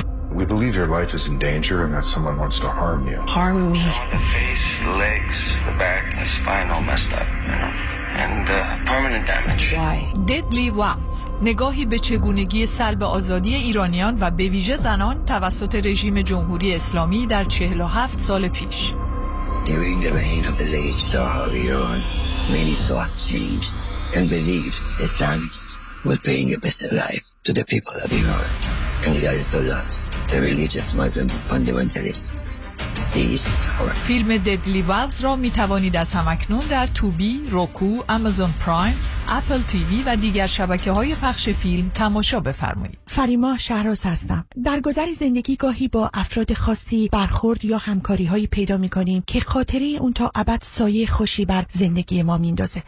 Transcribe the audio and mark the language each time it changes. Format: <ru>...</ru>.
<en>We believe your life is in danger and that someone wants to harm you. Harm me? The face, the legs, the back, the spine all messed up, you know? And permanent damage. Why? Deadly Wounds.</en> <fa>نگاهی به چگونگی سلب آزادی ایرانیان و به ویژه زنان توسط رژیم جمهوری اسلامی در 47 سال پیش.</fa> <en>During the reign of the late Shah of Iran, many sought change and believed Islamists would bring a better life to the people of Iran. And the Ayatollahs, the religious Muslim fundamentalists, seized power.</en> <fa>فیلم Deadly Vows را می توانید از همکنون در توبی، روکو، آمازون پرایم، اپل تیوی و دیگر شبکه های پخش فیلم تماشا بفرمایید. فریما شهراز هستم. در گذر زندگی گاهی با افراد خاصی برخورد یا همکاری هایی پیدا می کنیم که خاطره اون تا ابد سایه خوشی بر زندگی ما میندازه.</fa>